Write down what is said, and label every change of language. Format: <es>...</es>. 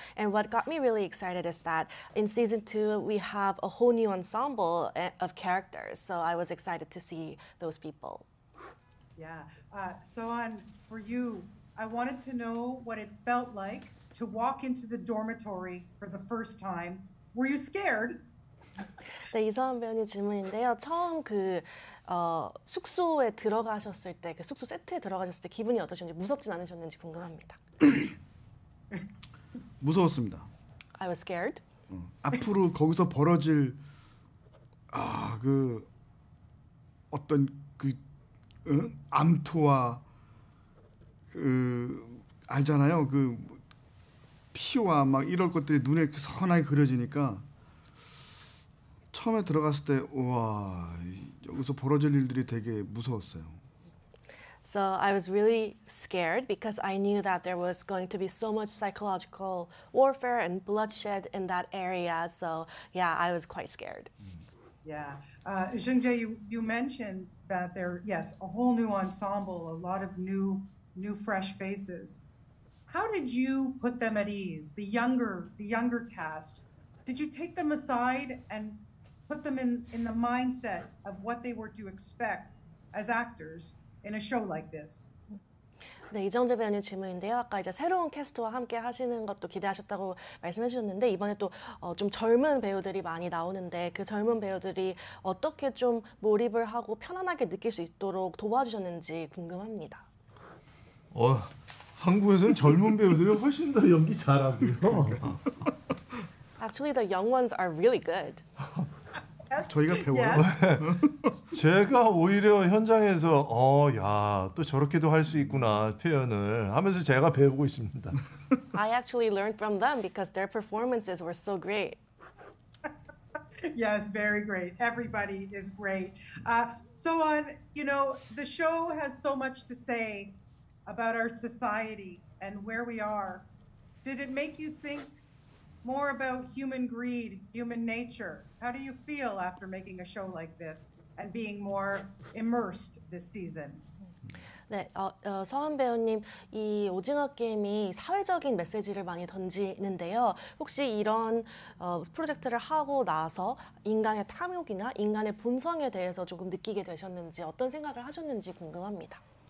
<en>And what got me really excited is that in season two, we have a whole new ensemble of characters. So I was excited to see those people. Yeah. So for you, I wanted to know what it felt like to walk into the dormitory for the first time. Were you scared?</en> <ko>네, 이서한 배우님 질문인데요. 처음 그 숙소에 들어가셨을 때, 그 숙소 세트에 들어가셨을 때 기분이 어떠셨는지, 무섭진 않으셨는지 궁금합니다. 무서웠습니다.</ko> <en>I was scared.</en> <ko>앞으로 거기서 벌어질 그 어떤 그 암투와 그 알잖아요. 그 피와 막 이런 것들이 눈에 선하게 그려지니까 처음에 들어갔을 때 우와 여기서 벌어질 일들이 되게 무서웠어요.</ko> <en>So I was really scared because I knew that there was going to be so much psychological warfare and bloodshed in that area. So yeah, I was quite scared. Yeah. Zhengjie, you mentioned that there yes, a whole new ensemble, a lot of new fresh faces. How did you put them at ease, the younger cast? Did you take them aside and put them in the mindset of what they were to expect as actors in a show like this?</en> <ko>네, 이정재 배우님 질문인데요. 아까 이제 새로운 캐스트와 함께 하시는 것도 기대하셨다고 말씀해 주셨는데 이번에 또 좀 젊은 배우들이 많이 나오는데 그 젊은 배우들이 어떻게 좀 몰입을 하고 편안하게 느낄 수 있도록 도와주셨는지 궁금합니다. 한국에서는 젊은 배우들이 훨씬 더 연기 잘하고요.</ko> <en>Actually, the young ones are really good.</en> <ko>저희가 배워요. 제가 오히려 현장에서 또 저렇게도 할 수 있구나 표현을 하면서 제가 배우고 있습니다.</ko> <en>I actually learned from them because their performances were so great. Yes, very great. Everybody is great. So, you know, the show has so much to say about our society and where we are. Did it make you think more about human greed, human nature? How do you feel after making a show like this and being more immersed this season?</en> <ko>네, 서한 배우님, 이 오징어 게임이 사회적인 메시지를 많이 던지는데요. 혹시 이런 프로젝트를 하고 나서 인간의 탐욕이나 인간의 본성에 대해서 조금 느끼게 되셨는지 어떤 생각을 하셨는지 궁금합니다.</ko>